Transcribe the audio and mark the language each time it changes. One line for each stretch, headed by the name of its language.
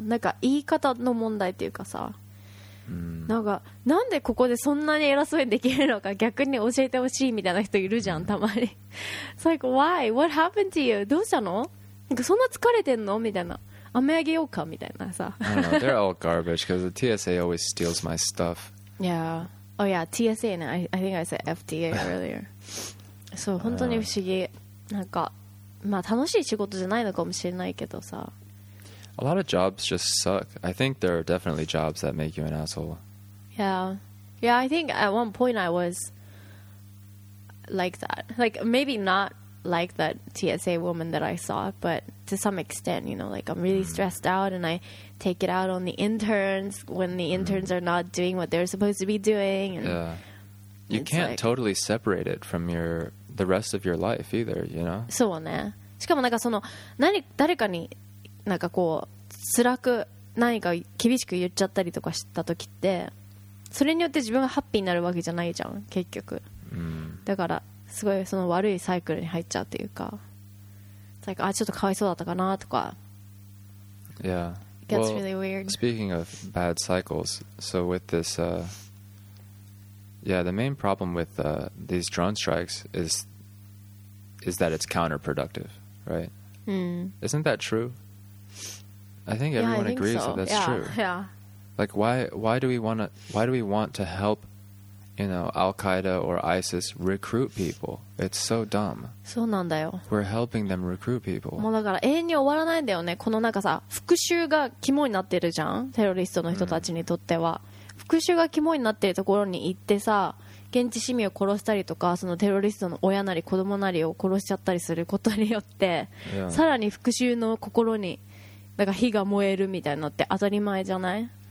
Japanese: なんか言い方の問題っていうかさ、なんかなんでここでそんなに偉そうにできるのか逆に教えてほしいみたいな人いるじゃん、たまに。
English: It's like, why? What happened to you?
Japanese: どうしたの？なんかそんな疲れてんの？みたいな。雨あげようか？みたいなさ。
English: They're all garbage because the TSA always steals my stuff. Yeah. Oh yeah, TSA and I think I said FDA earlier.
Japanese: そう、本当に不思議。なんか、まあ楽しい仕事じゃないのかもしれないけどさ。
English: A lot of jobs just suck. I think there are definitely jobs that make you an asshole. Yeah. Yeah, I think at one point I was like that. Like, maybe not like that TSA woman that I saw, but to some extent, you know, like I'm really stressed out and I... take it out on the interns when the interns are not doing what they're supposed to be doing. And yeah. You can't like, totally separate it from your, the rest of your life either, you know?
Japanese: そうね。しかもなんかその何、誰かになんかこう辛く何か厳しく言っちゃったりとかした時ってそれによって自分がハッピーになるわけじゃないじゃん、結局。だからすごいその悪いサイクルに入っちゃうっていうか。
English: It's like,
Japanese: あ、ちょっとかわいそうだったかなとか。
English: Yeah. Gets well, really weird. Speaking of bad cycles, so with this, the main problem with these drone strikes is that it's counterproductive, right? Isn't that true? I think everyone I think agrees so. that that's yeah. true. Yeah. Like, why do we want to help, you know, Al-Qaeda or ISIS recruit people? It's so dumb.
Japanese: そうなんだよ。
English: We're helping them recruit people.
Japanese: もうだから永遠に終わらないんだよね。このなんかさ、復讐が肝になってるじゃん。テロリストの人たちにとっては。復讐が肝になってるところに行ってさ、現地市民を殺したりとか、そのテロリストの親なり子供なりを殺しちゃったりすることによって、さらに復讐の心に、なんか火が燃えるみたいなのって当たり前じゃない？